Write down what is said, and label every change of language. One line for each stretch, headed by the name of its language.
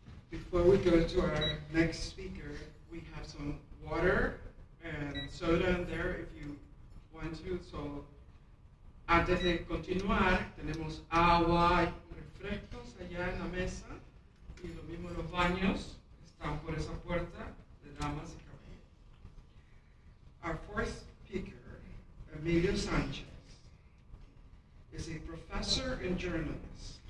English: Before we go to our next speaker, we have some water and soda in there if you want to.
Spanish: So, antes de continuar, tenemos agua y refrescos allá en la mesa. Y lo mismo los baños están por esa puerta de damas y caballeros.
English: Our fourth speaker, Emilio Sánchez, is a professor and journalist.